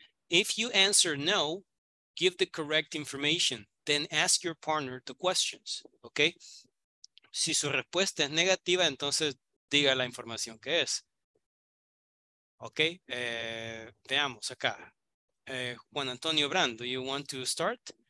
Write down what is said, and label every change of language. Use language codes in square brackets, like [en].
[en] If you answer no, give the correct information, then ask your partner the questions. Okay? [es] Si su respuesta es negativa, entonces diga la información que es. Okay? Veamos acá. [en] Juan Antonio Brand, do you want to start?